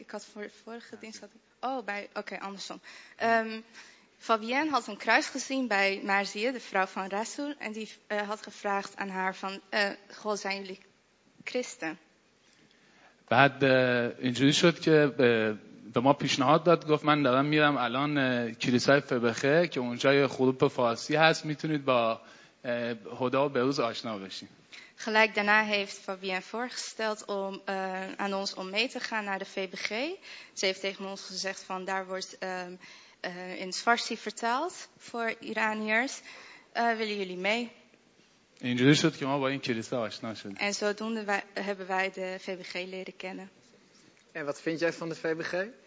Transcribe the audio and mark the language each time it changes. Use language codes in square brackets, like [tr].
[nl] Ik had voor vorige dienst had ik, oh bij okay, andersom. Fabienne had een kruis gezien bij Marzia, de vrouw van Rasul, en die had gevraagd aan haar van God, zijn jullie christen? [fa] بعد اینجوری شد که به ما پیشنهاد داد گفت من دارم میرم الان کلیسای فبخه که اونجا یه خروپ فارسی هست میتونید با هدا و بروز آشنا بشین. [nl] Gelijk daarna heeft Fabienne voorgesteld om aan ons om mee te gaan naar de VBG. Ze heeft tegen ons gezegd van daar wordt in Farsi vertaald voor Iraniërs. Willen jullie mee? [fa] اینجوری شد که ما با این کلیسا آشنا شدیم. [nl] En zodoende hebben wij de VBG leren kennen. En wat vind jij van de VBG?